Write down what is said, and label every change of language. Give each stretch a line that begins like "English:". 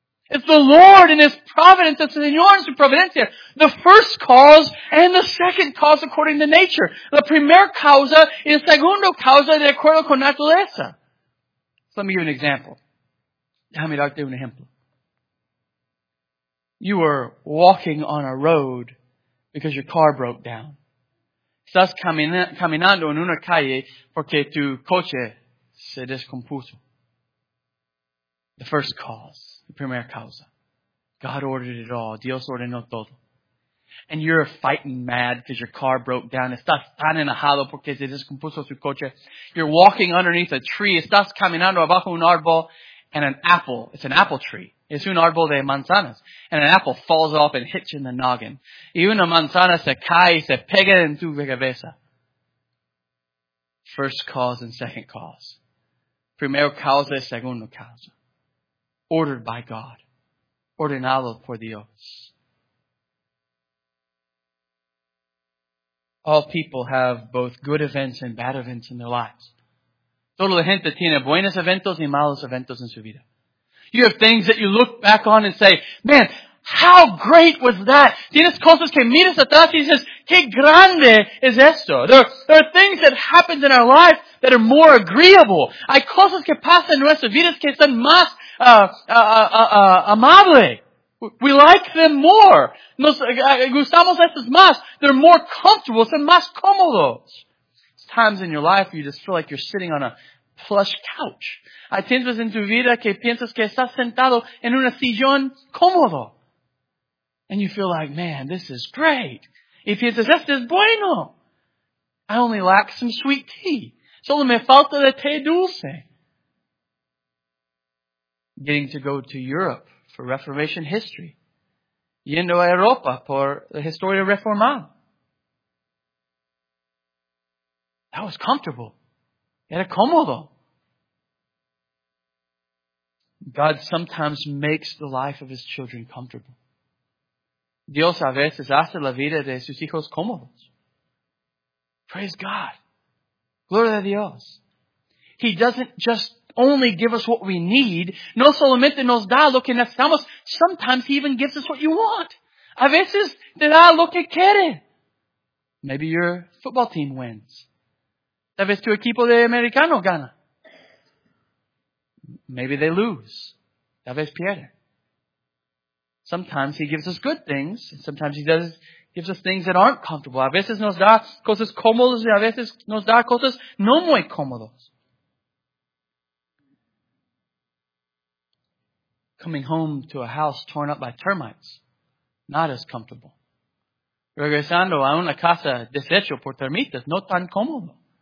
English: It's the Lord in His providence, it's the Señor in
Spanish: su providencia.
English: The first cause and the second cause according to nature.
Spanish: La primera causa y la segunda causa de acuerdo con naturaleza.
English: So let me give you an example.
Spanish: Déjame darte un ejemplo.
English: You were walking on a road because your car broke down.
Spanish: Estás caminando en una calle porque tu coche se descompuso.
English: The first cause. The
Spanish: primera causa.
English: God ordered it all.
Spanish: Dios ordenó todo.
English: And you're fighting mad because your car broke down.
Spanish: Estás tan enojado porque se descompuso su coche.
English: You're walking underneath a tree.
Spanish: Estás caminando abajo un árbol.
English: And an apple. It's an apple tree.
Spanish: Es un árbol de manzanas.
English: And an apple falls off and hits you in the noggin.
Spanish: Y una manzana se cae y se pega en tu cabeza.
English: First cause and second cause.
Spanish: Primera causa y segunda causa.
English: Ordered by God.
Spanish: Ordenado por Dios.
English: All people have both good events and bad events in their lives.
Spanish: Toda la gente tiene buenos eventos y malos eventos en su vida.
English: You have things that you look back on and say, man, how great was that?
Spanish: Tienes cosas que miras atrás y dices, qué grande es esto.
English: There are things that happen in our life that are more agreeable.
Spanish: Hay cosas que pasan en nuestras vidas que son más amable.
English: We like them more.
Spanish: Nos gustamos estas más.
English: They're more comfortable.
Spanish: Son más cómodos.
English: Times in your life where you just feel like you're sitting on a plush couch.
Spanish: Hay tiempos en tu vida que piensas que estás sentado en una sillón cómodo.
English: And you feel like, man, this is great.
Spanish: Y piensas, esto es bueno.
English: I only lack some sweet tea.
Spanish: Solo me falta de té dulce.
English: Getting to go to Europe for Reformation history.
Spanish: Yendo a Europa por la historia reformada.
English: That was comfortable.
Spanish: Era cómodo.
English: God sometimes makes the life of His children comfortable.
Spanish: Dios a veces hace la vida de sus hijos cómodos.
English: Praise God.
Spanish: Gloria a Dios.
English: He doesn't just only give us what we need.
Spanish: No solamente nos da lo que necesitamos.
English: Sometimes He even gives us what you want.
Spanish: A veces te da lo que quiere.
English: Maybe your football team wins.
Spanish: Tal vez tu equipo de americano gana.
English: Maybe they lose.
Spanish: Tal vez pierde.
English: Sometimes He gives us good things. Sometimes He does gives us things that aren't comfortable.
Spanish: A veces nos da cosas cómodas y a veces nos da cosas no muy cómodas.
English: Coming home to a house torn up by termites, not as comfortable.
Spanish: Regresando a una casa deshecha por termitas, no tan cómodo.